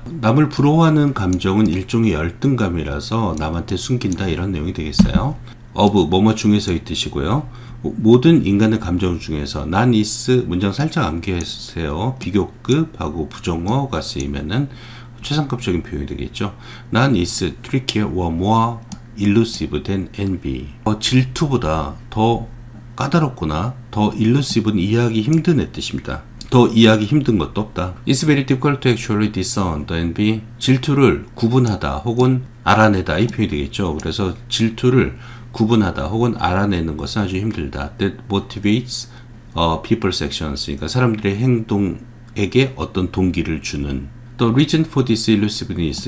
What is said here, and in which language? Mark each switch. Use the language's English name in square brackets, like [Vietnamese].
[Korean] 남을 부러워하는 감정은 일종의 열등감이라서 남한테 숨긴다, 이런 내용이 되겠어요. of 뭐뭐 중에서의 뜻이고요. 모든 인간의 감정 중에서 난 is 문장 살짝 암기하세요. 비교급하고 부정어가 쓰이면은 최상급적인 표현이 되겠죠. [English] 난 is trickier or more elusive than envy. [Korean] 질투보다 더 까다롭거나 더 elusive는 이해하기 힘든 뜻입니다. 더 이해하기 힘든 것도 없다. [English] It's very difficult to actually discern the envy. [Korean] 질투를 구분하다 혹은 알아내다, 이 표현이 되겠죠. 그래서 질투를 구분하다 혹은 알아내는 것은 아주 힘들다. [English] That motivates people's actions. [Korean] 그러니까 사람들의 행동에게 어떤 동기를 주는. [English] The reason for this elusiveness.